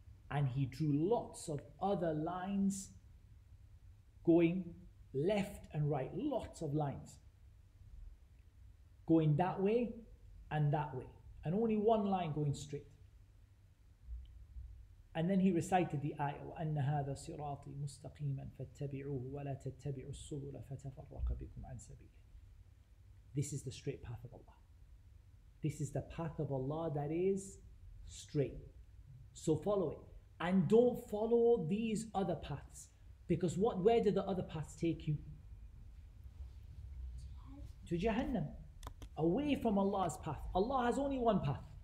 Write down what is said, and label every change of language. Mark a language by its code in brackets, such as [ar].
[en] And he drew lots of other lines going left and right, lots of lines. Going that way and that way. And only one line going straight. And then he recited the ayah, [ar] وَأَنَّ هَذَا صِرَاطِي مُسْتَقِيمًا فَاتَّبِعُوهُ وَلَا تَتَّبِعُوا السُّبُلَ فَتَفَرَّقَ بِكُمْ عَنْ سَبِيلِهِ. [en] This is the straight path of Allah. This is the path of Allah that is straight. So follow it. And don't follow these other paths. Because what? Where do the other paths take you? To Jahannam. Away from Allah's path. Allah has only one path.